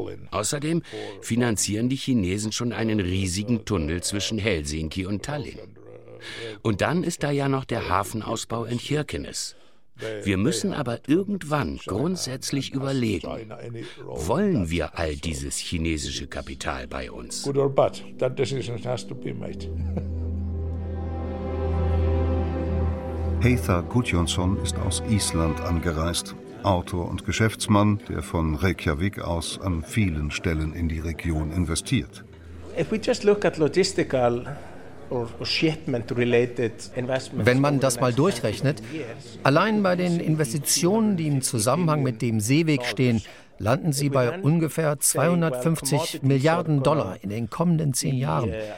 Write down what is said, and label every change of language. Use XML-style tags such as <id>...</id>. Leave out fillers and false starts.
<de>Außerdem finanzieren die Chinesen schon einen riesigen Tunnel zwischen Helsinki und Tallinn. Und dann ist da ja noch der Hafenausbau in Kirkenes. Wir müssen aber irgendwann grundsätzlich überlegen, wollen wir all dieses chinesische Kapital bei uns?</de> <en>Good or bad, that decision has to be made.</en> <de>Heiðar Guðjónsson ist aus Island angereist, Autor und Geschäftsmann, der von Reykjavik aus an vielen Stellen in die Region investiert.</de> <en>If we just look at logistical</en> <de>Wenn man das mal durchrechnet, allein bei den Investitionen, die im Zusammenhang mit dem Seeweg stehen, landen sie bei ungefähr 250 Milliarden Dollar in den kommenden 10 Jahren.</de>